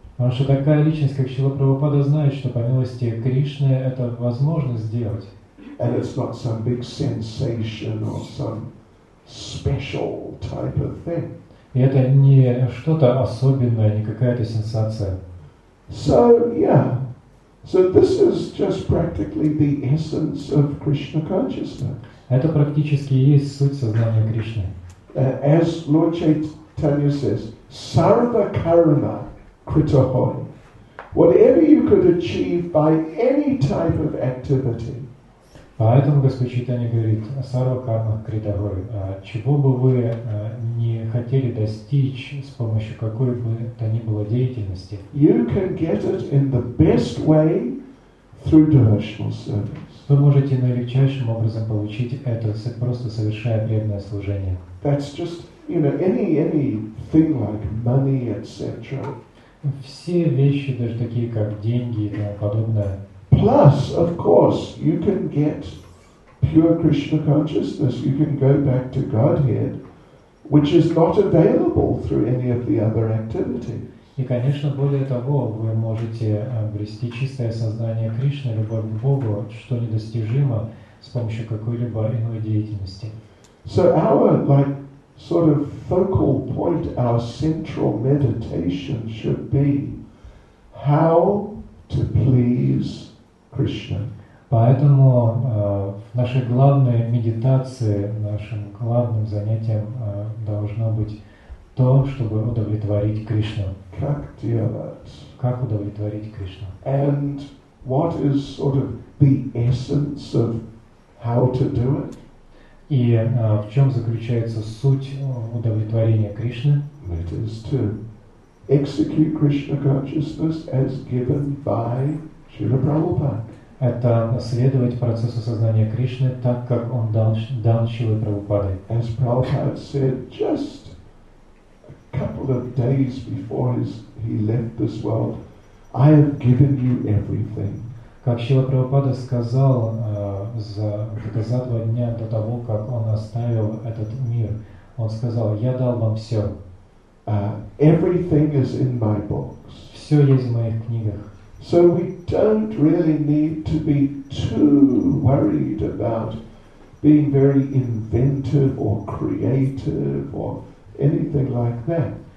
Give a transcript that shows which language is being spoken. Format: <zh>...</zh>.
<ru>Потому что такая личность, как Шрила Прабхупада, знает, что по милости Кришны это возможно сделать.</ru> <en>And it's not some big sensation or some special type of thing.</en> <ru>И это не что-то особенное, не какая-то сенсация. So, yeah.</ru> <en>So this is just practically the essence of Krishna consciousness.</en> <ru>Это практически и есть суть сознания Кришны.</ru> <en>As Lord Chaitanya says, Sarva Karma. Kritahoi. Whatever you could achieve by any type of activity.</en> <ru>Поэтому Господь Читания говорит, Сарва Карма Критахой, чего бы вы не хотели достичь с помощью какой бы то ни было деятельности,</ru> <en>you can get it in the best way through devotional service.</en> <ru>Вы можете наилегчайшим образом получить это, просто совершая преданное служение.</ru> <en>That's just, any thing like money, etc.</en> <ru>Все вещи, даже такие как деньги и тому подобное.</ru> <en>Plus, of course, you can get pure Krishna consciousness. You can go back to Godhead, which is not available through any of the other activities.</en> <ru>И, конечно, более того, вы можете обрести чистое сознание Кришны, любовь к Богу, что недостижимо с помощью какой-либо иной деятельности.</ru> <en>So our sort of focal point, our central meditation should be how to please Krishna.</en> <ru>Поэтому нашей главной медитацией, нашим главным занятием должно быть то, чтобы удовлетворить Кришну. Как делать? Как удовлетворить Кришну?</ru> <en>And what is sort of the essence of how to do it?</en> <ru>И в чем заключается суть удовлетворения Кришны?</ru> <en>It is to execute Krishna consciousness as given by Srila Prabhupada.</en> <ru>Это следовать процессу сознания Кришны так, как он дан Шилой Прабхупадой.</ru> <en>As Prabhupada said just a couple of days before he left this world, I have given you everything.</en> <ru>Как Шила Прабхупада сказал за два дня до того, как он оставил этот мир, он сказал, я дал вам все.</ru> <en>Everything is in my books.</en> <ru>Все есть в моих книгах.</ru> <en>So we don't really need to be too worried about being very inventive or creative or anything like that.</en>